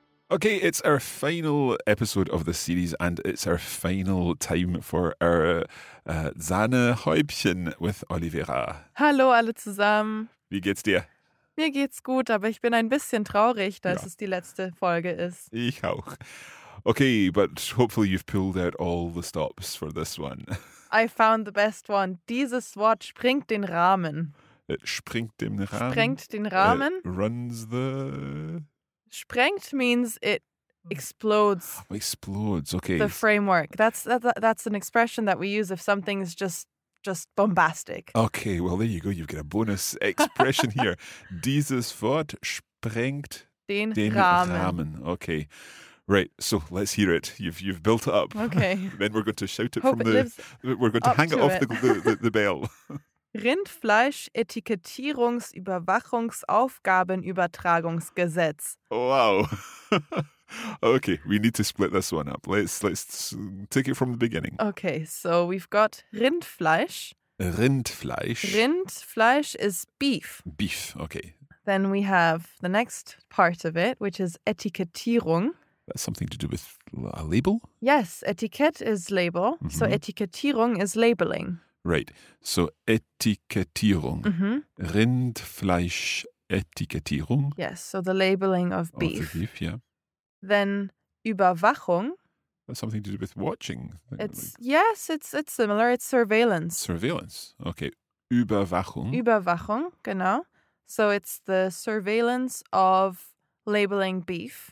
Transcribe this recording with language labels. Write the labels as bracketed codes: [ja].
[en] Okay, it's our final episode of the series, and it's our final time for our Sahnehäubchen with Olivera. [de] Hallo alle zusammen. Wie geht's dir? Mir geht's gut, aber ich bin ein bisschen traurig, dass es die letzte Folge ist. Ich auch. [en] Okay, but hopefully you've pulled out all the stops for this one. I found the best one. [de] Dieses Wort springt den Rahmen. It springt dem Rahmen. Sprengt den Rahmen. [en] It runs the... Sprengt means it explodes. Oh, explodes, okay. The framework. That's an expression that we use if something's just bombastic. Okay, well, there you go. You've got a bonus expression here. [de] Dieses Wort sprengt den Rahmen. [en] Okay. Right, so let's hear it. You've built it up. Okay. Then we're going to shout it the bell. [de] Rindfleisch Etikettierungsüberwachungsaufgabenübertragungsgesetz. [en] Wow. Okay, we need to split this one up. Let's take it from the beginning. Okay, so we've got Rindfleisch. [de] Rindfleisch. [en] Rindfleisch is beef. Beef, okay. Then we have the next part of it, which is Etikettierung. That's something to do with a label? Yes, Etikett is label. Mm-hmm. So Etikettierung is labeling. Right. So Etikettierung. Mm-hmm. [de] Rindfleisch Etikettierung. [en] Yes, so the labeling of beef. Of the beef, yeah. Then Überwachung. That's something to do with watching. It's similar. It's surveillance. Surveillance. Okay. Überwachung. [de] Überwachung, genau. [en] So it's the surveillance of labeling beef.